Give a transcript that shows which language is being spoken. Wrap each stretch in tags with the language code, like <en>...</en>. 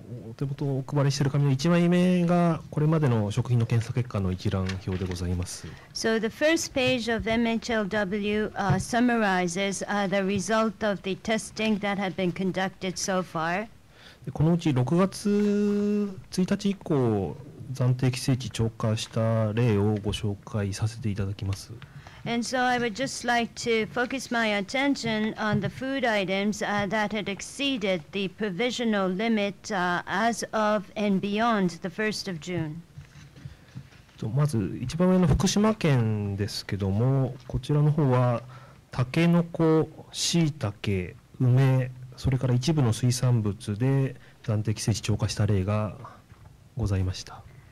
<ja>お手元お配りしている紙の1枚目がこれまでの食品の検査結果の一覧表でございます。</ja> <en>So the first page of MHLW summarizes the result of the testing that had been conducted so far.</en> <ja>このうち6月1日以降暫定規制値超過した例をご紹介させていただきます。</ja> <en>And so I would just like to focus my attention on the food items that had exceeded the provisional limit as of and beyond the 1st of June.</en> <ja>まず一番上の福島県ですけども、こちらの方はタケノコ、シイタケ、梅、それから一部の水産物で暫定規制値超過した例がございました。</ja>